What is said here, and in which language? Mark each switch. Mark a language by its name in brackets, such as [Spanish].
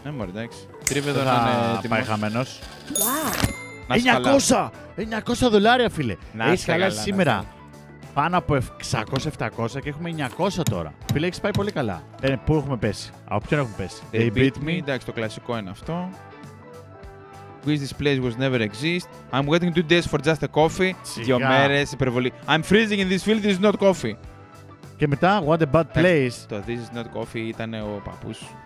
[Greek] Ναι, μωρή, εντάξει. Τρίβε εδώ να είναι. Πάει χαμένος. Wow. 900! 900 δολάρια, φίλε. Να έχει χαλάσει σήμερα. Πάνω από 600-700 και έχουμε 900 τώρα. Φίλε, έχεις πάει πολύ καλά. Πού έχουμε πέσει, από ποιον έχουμε πέσει. [English] They beat me, [Greek] εντάξει, το κλασικό είναι αυτό. [English] Wish this place was never exist. I'm waiting 2 days for just a coffee. [Greek] Σιγά. Δύο μέρες, υπερβολή. [English] I'm freezing in this field, this is not coffee. [Greek] Και μετά, [English] what a bad place. [Greek] Το [English] this is not coffee [Greek] ήταν ο παππούς.